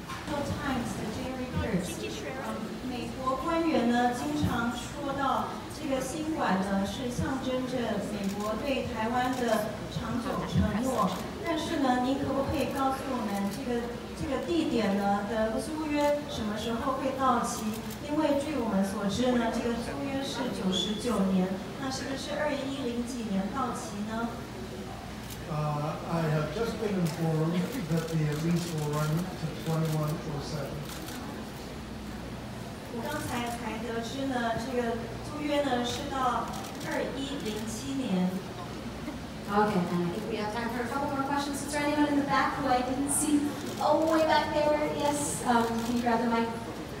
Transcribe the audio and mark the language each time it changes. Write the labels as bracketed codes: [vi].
[zh] No Times 的 Jane Reuters， 美国官员呢经常说到这个新馆呢是象征着美国对台湾的长久承诺。但是呢，您可不可以告诉我们这个地点呢的租约什么时候会到期？因为据我们所知呢，这个租约是99年，那是不是2010几年到期呢？ [en] I have just been informed that the lease will run to 2107. [zh] 我刚才才得知呢，这个租约呢是到2107年。 [en] Okay, we have time for a couple more questions. Is there anyone in the back who I didn't see all the way back there? Yes, can you grab the mic?